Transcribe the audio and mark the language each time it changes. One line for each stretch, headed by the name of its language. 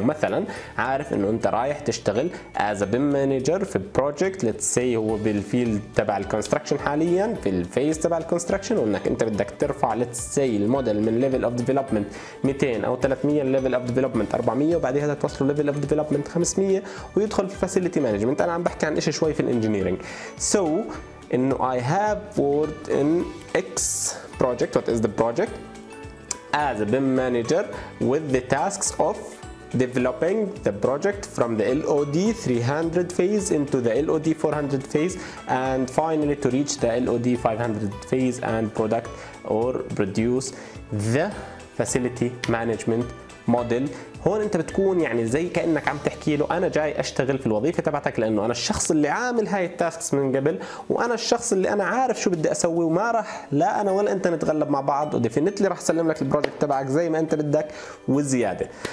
Arabic: مثلا عارف انه انت رايح تشتغل
English: as a BIM manager
Arabic: في project,
English: let's say
Arabic: هو بالفيلد تبع الكونستراكشن حاليا, في الفيز تبع الكونستراكشن, وانك انت بدك ترفع
English: let's say
Arabic: الموديل من level of development 200 او 300 level of development 400, وبعدها توصله level of development 500 ويدخل في facility management. انا عم بحكي عن ايش شوي في الانجينيرينج.
English: So إنه I have worked in X project, what is the project, as a BIM manager with the tasks of developing the project from the LOD 300 phase into the LOD 400 phase and finally to reach the LOD 500 phase and product or produce the facility management model.
Arabic: هون انت بتكون يعني زي كأنك عم تحكي له انا جاي اشتغل في الوظيفة تبعتك لانه انا الشخص اللي عامل هاي التاسكس من قبل, وانا الشخص اللي انا عارف شو بدي اسوي, وما رح لا انا ولا انت نتغلب مع بعض, وديفينتلي رح اسلم لك البروجكت تبعك زي ما انت بدك وزيادة.